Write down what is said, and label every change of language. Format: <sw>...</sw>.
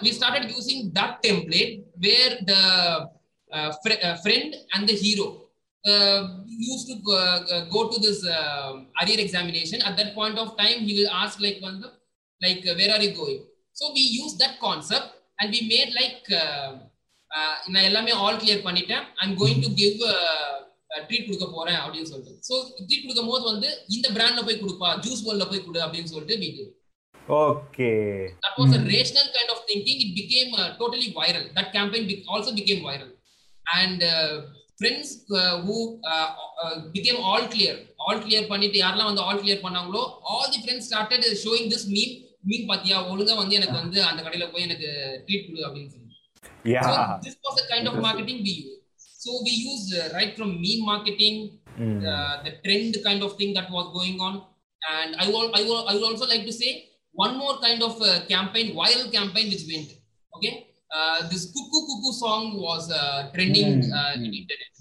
<en>We started using that template where the friend and the hero used to go to this arrear examination. At that point of time, he will ask like one the like where are you going? So we used that concept and we made like.</en> <ta>நான் எல்லாமே all clear பண்ணிட்டேன்</ta> <en>I'm going to give treat</en> <ta>கொடுக்க போறேன் அப்படின்னு சொல்லிட்டு. So treat கொடுக்கும் போது வந்து இந்த பிராண்ட்ல போய் கொடுப்பா, ஜூஸ் போல்ல போய் கொடு அப்படின்னு சொல்லிட்டு</ta> <en>Okay. That was a rational kind of thinking. It became totally viral. That campaign also became viral. And friends who became all clear</en> <ta>பண்ணிட்டு யாரெல்லாம் வந்து ஆல் கிளியர் பண்ணாங்களோ,</ta> <en>all the friends started showing this meme meme</en> <ta>பாத்தியா ஒழுங்கா வந்து எனக்கு வந்து அந்த கடையில போய் எனக்கு ட்ரீட் கொடு அப்படின்னு சொல்லி.</ta> <en>Yeah. So this was the kind of marketing we used. So we used right from meme marketing, the trend kind of thing that was going on. And I would also like to say one more kind of campaign, viral campaign which went. Okay. This Cuckoo Cuckoo song was trending in internet.</en>